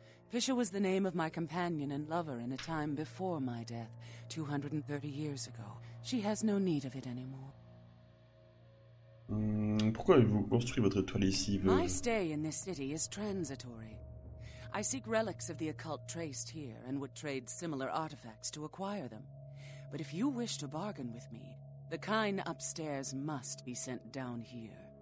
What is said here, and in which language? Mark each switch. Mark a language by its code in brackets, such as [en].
[en] Pisha was the name of my companion and lover in a time before my death, 230 years ago. She has no need of it anymore. [fr] Pourquoi avez-vous construit votre toile ici, veuve? [en] My stay in this city is transitory. I seek relics of the occult traced here and would trade similar artifacts to acquire them. But if you wish to bargain with me, the kine upstairs must be sent down here.